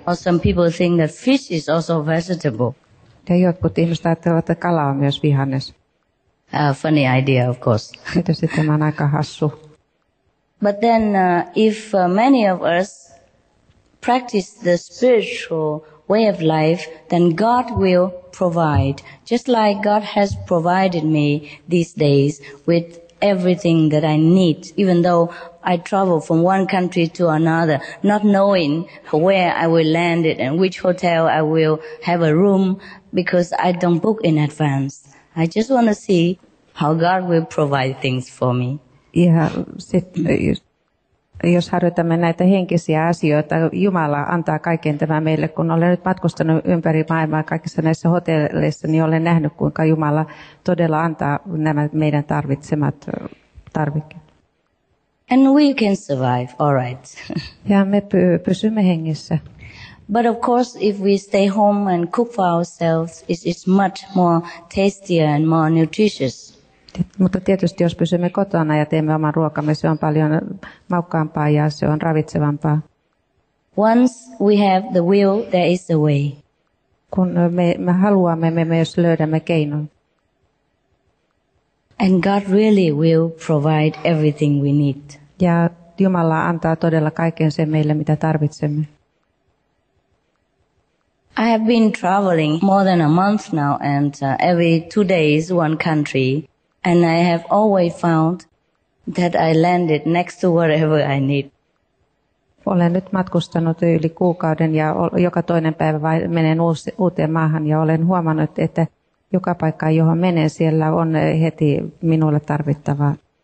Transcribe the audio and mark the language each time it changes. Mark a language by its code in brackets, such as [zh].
[en] Or some people think that fish is also vegetable. [fi] Ja jotkut ihmiset ajattelevat, että kala on myös vihannes. [en] Funny idea, of course. [fi] Mitä sitten on aika hassu. [en] But then, if many of us practice the spiritual way of life, then God will provide, just like God has provided me these days with everything that I need, even though I travel from one country to another, not knowing where I will land it and which hotel I will have a room, because I don't book in advance. I just want to see how God will provide things for me. [fi] Ja sitten jos harjoitamme näitä henkisiä asioita, Jumala antaa kaiken tämän meille. Kun olen nyt matkustanut ympäri maailmaa kaikissa näissä hotelleissa, niin olen nähnyt, kuinka Jumala todella antaa nämä meidän tarvitsemat tarvikkeet. [en] And we can survive, all right. [fi] Ja me pysymme hengissä. [en] But of course, if we stay home and cook for ourselves, it's much more tastier and more nutritious. [fi] Mutta tietysti jos pysymme kotona ja teemme oman ruokamme, se on paljon maukkaampaa ja se on ravitsevampaa. [en] Once we have the will, there is a way. [fi] Kun me haluamme, me myös löydämme keinon. [en] And God really will provide everything we need. [fi] Ja Jumala antaa todella kaiken sen meille, mitä tarvitsemme. [en] I have been traveling more than a month now and every 2 days one country. And I have always found that I landed next to whatever I need. [fi] Olen nyt matkustanut yli kuukauden ja joka toinen päivä menen uuteen maahan ja olen huomannut, että joka paikka, johon menen, siellä on heti minulle tarvittavaa.